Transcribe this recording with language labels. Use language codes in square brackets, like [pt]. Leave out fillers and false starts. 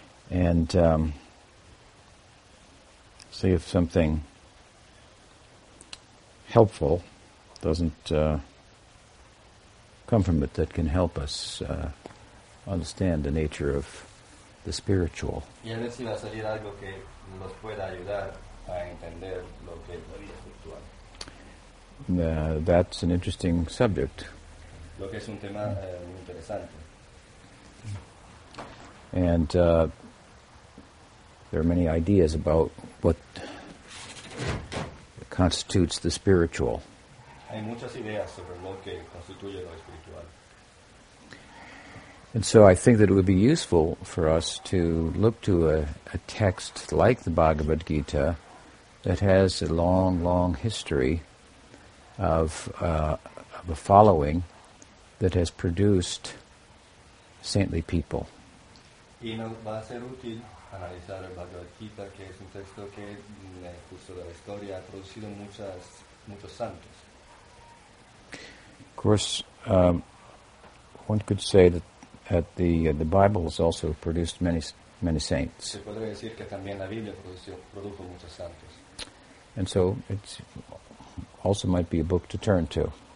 [en] And see if something helpful doesn't come from it that can help us understand the nature of the spiritual. [es] Y a ver si va a salir algo que nos pueda ayudar a entender lo que es la vida espiritual. [en] That's an interesting subject. [es] Lo que es un tema muy interesante. [en] And there are many ideas about what constitutes the spiritual. [es] Hay muchas ideas sobre lo que constituye lo espiritual. [en] And so I think that it would be useful for us to look to a text like the Bhagavad Gita that has a long, long history of a following that has produced saintly people. [es] Y nos va a ser útil analizar el Bhagavad Gita, que es un texto que en el curso de la historia ha producido muchos santos. [en] Of course, one could say that the Bible has also produced many saints. [es] Se podría decir que también la Biblia produjo muchos santos. [en] And so it's also might be a book to turn to.